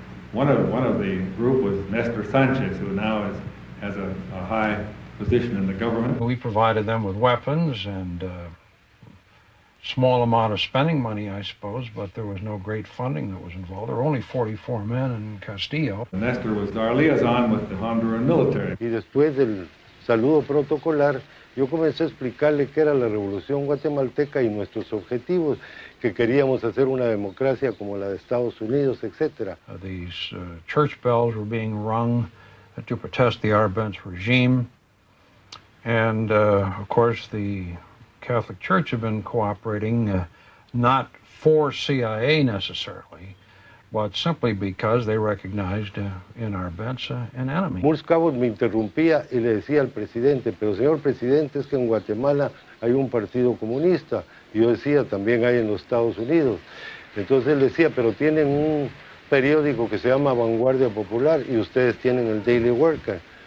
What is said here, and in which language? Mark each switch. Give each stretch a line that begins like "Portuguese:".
English: One of the group was Nestor Sanchez, who now has a high position in the government. We provided them with weapons and a small amount of spending money, I suppose, but there was no great funding that was involved. There were only 44 men in Castillo. And Nestor was our liaison with the Honduran military.
Spanish: Y después del saludo protocolar, yo comencé a explicarle que era la revolución guatemalteca y nuestros objetivos, que queríamos hacer una democracia como la de Estados Unidos, etc.
English: These church bells were being rung to protest the Arbenz regime. And, of course, the Catholic Church had been cooperating, not for CIA necessarily, but simply because they recognized in Arbenz an enemy.
Spanish: Murs Cabot me interrumpía y le decía al presidente, pero señor presidente, es que en Guatemala hay un partido comunista. Y yo decía, también hay en los Estados Unidos. Entonces él decía, pero tienen un periódico que se llama Vanguardia Popular y ustedes tienen el Daily Worker.